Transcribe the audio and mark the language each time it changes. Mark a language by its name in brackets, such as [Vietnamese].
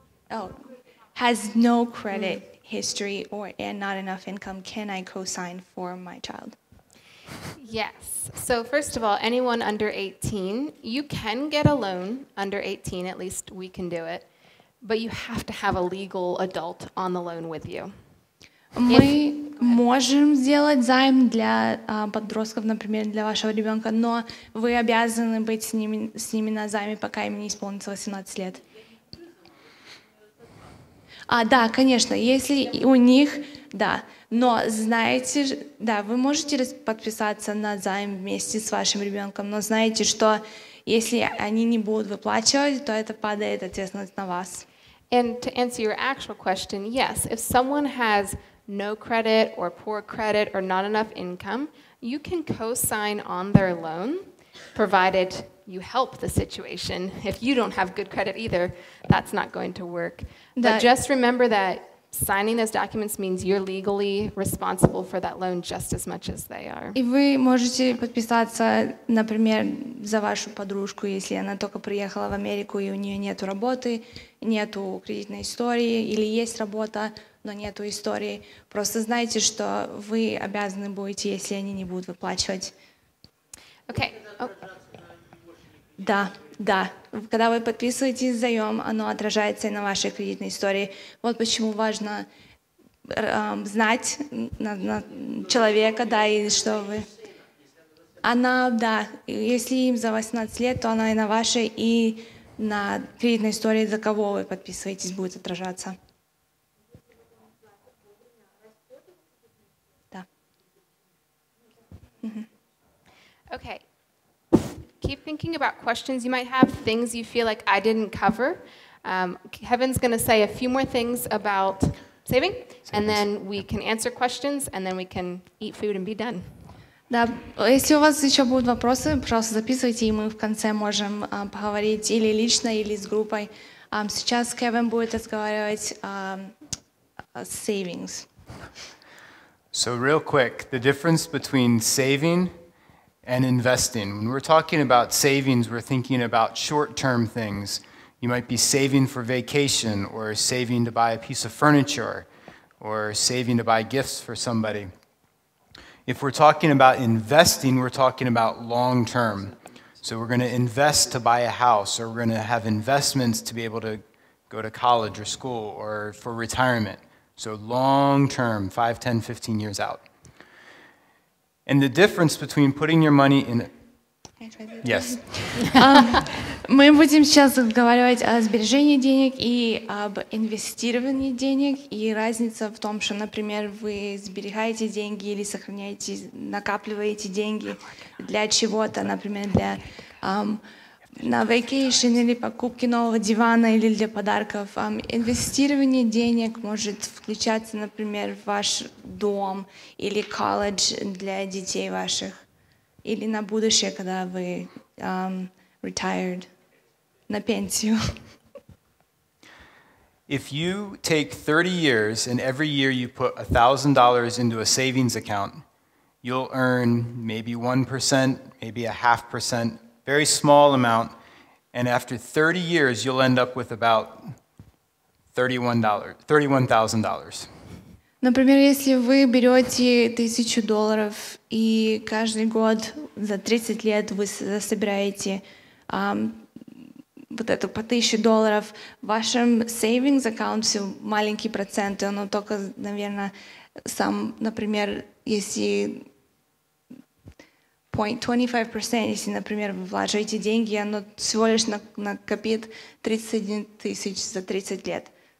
[English] Oh, has no credit history or and not enough income. Can I co-sign for my child? Yes. So first of all, anyone under 18, you can get a loan under 18, at least we can do it, but you have to have a legal adult on the loan with you. [Russian] Мы можем сделать займ для подростков, например, для вашего ребенка, но вы обязаны быть с ними на займе, пока им не исполнится 18 лет. А, да, конечно, если у них, да. Но знаете, да, вы можете подписаться на займ вместе с вашим ребенком, но знаете, что если они не будут выплачивать, то это падает ответственность на вас. [English] And to answer your actual question, yes, if someone has no credit or poor credit or not enough income, you can co-sign on their loan, provided you help the situation. If you don't have good credit either, that's not going to work. But just remember that signing those documents means you're legally responsible for that loan just as much as they are. [Russian] И вы можете подписаться, например, за вашу подружку, если она только приехала в Америку и у нее нет работы, нет кредитной истории, или есть работа, но нет истории. Просто знайте, что вы обязаны будете, если они не будут выплачивать. [English] Okay. [Russian] Oh. Да. Да, когда вы подписываетесь заем, оно отражается и на вашей кредитной истории. Вот почему важно знать на человека, да, и что вы. Она, да, если им за 18 лет, то она и на вашей, и на кредитной истории, за кого вы подписываетесь, будет отражаться. Да. [English] Okay. Keep thinking about questions you might have, things you feel like I didn't cover. Kevin's going to say a few more things about saving, and then we can answer questions, and then we can eat food and be done. [Russian] Да, если у вас еще будут вопросы, пожалуйста, записывайте, и мы в конце можем поговорить или лично, или с группой. Сейчас Кевин будет разговаривать с savings. [English] So real quick, the difference between saving and investing. When we're talking about savings, we're thinking about short-term things. You might be saving for vacation, or saving to buy a piece of furniture, or saving to buy gifts for somebody. If we're talking about investing, we're talking about long-term. So we're going to invest to buy a house, or we're going to have investments to be able to go to college or school, or for retirement. So long-term, 5, 10, 15 years out. And the difference between putting your money in... Yes. [Russian] Мы будем сейчас говорить о сбережении денег и об инвестировании денег. И разница в том, что, например, вы сберегаете деньги или сохраняете, накапливаете деньги для чего-то, например, для на вейкейшн или покупки нового дивана или для подарков. Инвестирование денег может включаться, например, в ваш дом или колледж для детей ваших. Или на будущее, когда вы retired, на пенсию. [English] If you take 30 years and every year you put $1,000 into a savings account, you'll earn maybe 1%, maybe 0.5%, very small amount, and after 30 years, you'll end up with about $31,000. [Russian] Например, если вы берете $1,000 и каждый год за 30 лет вы собираете вот эту по $1,000, в вашем [English] savings account [Russian] все маленькие проценты, но только, наверное, сам, например, если 0.25%, если, например, вы вложите деньги, оно всего лишь накопит 31 тысяч за 30 лет.